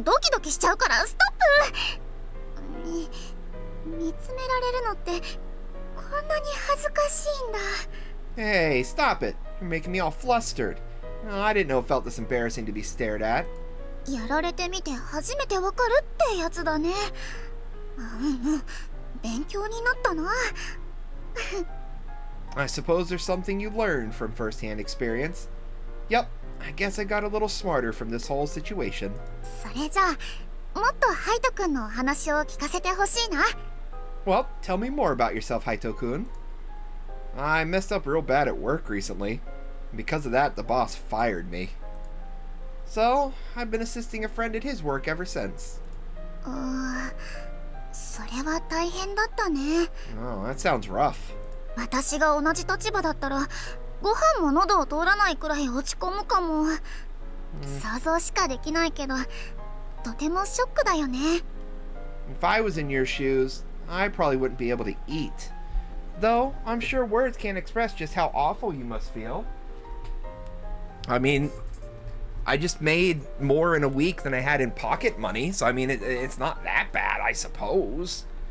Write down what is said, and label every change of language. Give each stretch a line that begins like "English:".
Japanese: ドキドキしちゃうから、ストップ!見つめられるのってこんなに恥ずかしいんだ。
English: Hey, stop it. You're making me all flustered. Oh, I didn't know it felt this embarrassing to be stared at.
Japanese: やられてみて初めてわかるってやつだね。勉強になったな。
English: I suppose there's something you learned from first-hand experience. Yep, I guess I got a little smarter from this whole situation.
Japanese: それじゃあ、もっとハイト君の話を聞かせてほしいな。
English: Well, tell me more about yourself, Haito-kun. I messed up real bad at work recently. Because of that, the boss fired me. So, I've been assisting a friend at his work ever since.
Japanese: それは大変だったね。
English: Oh, that sounds rough.
Japanese: 私が同じ立場だったら、ご飯も喉を通らないくらい落ち込むかも。想像しかできないけど、とてもショックだよね。
English: If I was in your shoes, I probably wouldn't be able to eat. Though, I'm sure words can't express just how awful you must feel. I mean, I just made more in a week than I had in pocket money, so I mean, it's not that bad, I suppose.